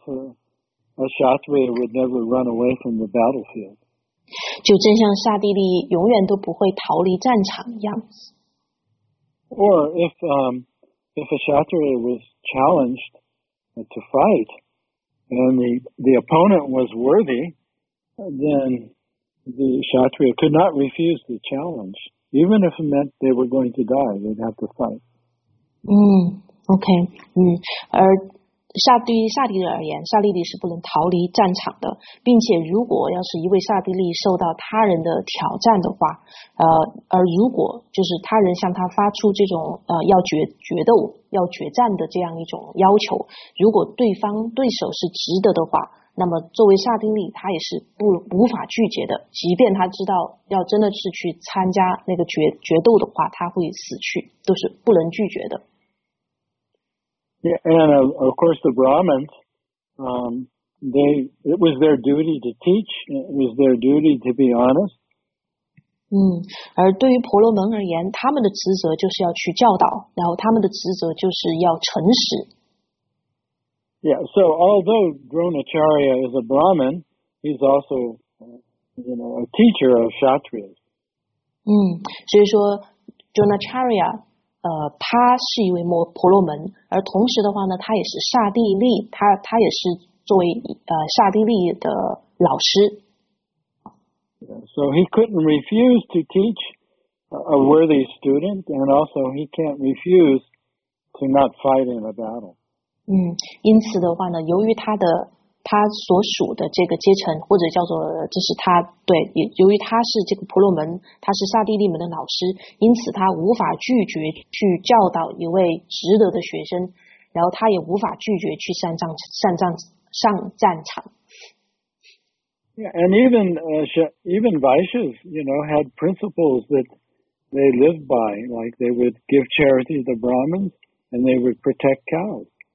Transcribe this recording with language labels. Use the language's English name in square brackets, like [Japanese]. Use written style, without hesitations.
[English] A Kshatriya would never run away from the battlefield. [Chinese] 就正像刹帝利永远都不会逃离战场一样。 [English] Or if a Kshatriya was challenged to fight, and the opponent was worthy, then the Kshatriya could not refuse the challenge. Even if it meant they were going to die, they'd have to fight. Okay. [Chinese] 杀对于杀敌人而言，杀敌利是不能逃离战场的，并且如果要是一位杀敌利受到他人的挑战的话，而如果就是他人向他发出这种要决斗、要决战的这样一种要求，如果对方对手是值得的话，那么作为杀敌利他也是无法拒绝的，即便他知道要真的是去参加那个决斗的话，他会死去，都是不能拒绝的。 [English] Yeah, and of course the Brahmins, it was their duty to teach, it was their duty to be honest. [Chinese] 而对于婆罗门而言，他们的职责就是要去教导，然后他们的职责就是要诚实。 [English] Yeah, so although Dronacharya is a Brahmin, he's also, you know, a teacher of Kshatriyas. [Chinese] 所以说 Dronacharya,他是一位婆罗门，而同时的话呢，他也是刹帝利，他也是作为刹帝利的老师。 [English] So he couldn't refuse to teach a worthy student, and also he can't refuse to not fight in a battle. [Chinese] 因此的话呢，由于他所属的这个阶层，或者叫做这是他对，由于他是这个婆罗门，他是刹帝利门的老师，因此他无法拒绝去教导一位值得的学生，然后他也无法拒绝去上战场。 [English] Yeah, and even Vaishyas, you know, had principles that they lived by, like they would give charity to the Brahmins and they would protect cows.